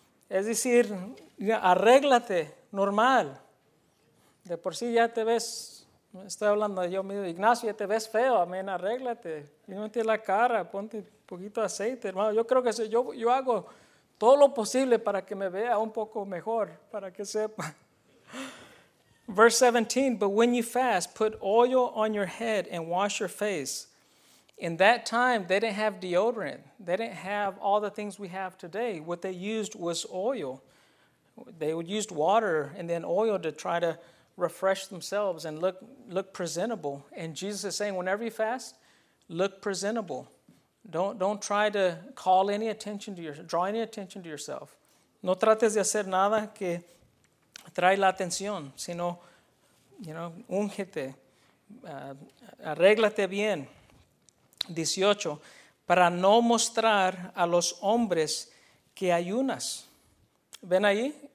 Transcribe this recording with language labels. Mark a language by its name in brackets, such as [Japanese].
[Spanish] Es decir, arréglate, normal. De por sí ya te ves, estoy hablando yo mismo, Ignacio, ya te ves feo, amén, arréglate. Límpiate la cara, ponte un poquito de aceite, hermano. Yo creo que si, yo hago todo lo posible para que me vea un poco mejor, para que sepa. [English] Verse 17, but when you fast, put oil on your head and wash your face. In that time, they didn't have deodorant. They didn't have all the things we have today. What they used was oil. They would use water and then oil to try to refresh themselves and look presentable. And Jesus is saying, whenever you fast, look presentable. Don't try to call any attention to yourself, draw any attention to yourself. [Spanish] No trates de hacer nada que trae la atención, sino, you know, úngete, arréglate bien. 18, para no mostrar a los hombres que ayunas. ¿Ven ahí?